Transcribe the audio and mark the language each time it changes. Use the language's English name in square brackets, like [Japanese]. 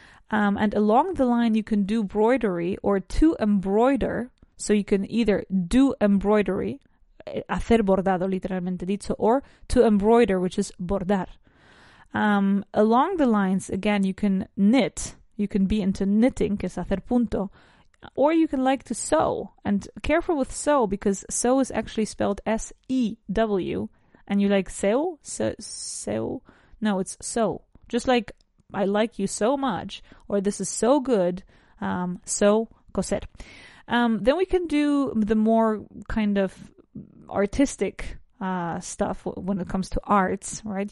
[English] And along the line, you can do broidery or to embroider. So you can either do embroidery, [Spanish] hacer bordado, literalmente dicho, [English] or to embroider, [Spanish] which is bordar. [English] Along the lines, again, you can knit. You can be into knitting, [Spanish] que es hacer punto. [English] Or you can like to sew. And careful with sew, because sew is actually spelled S-E-W. And you like sew? Sew? No, it's sew. Just like, I like you so much, or this is so good, sew, [Spanish] coser. [English] Then we can do the more kind of artistic stuff when it comes to arts, right?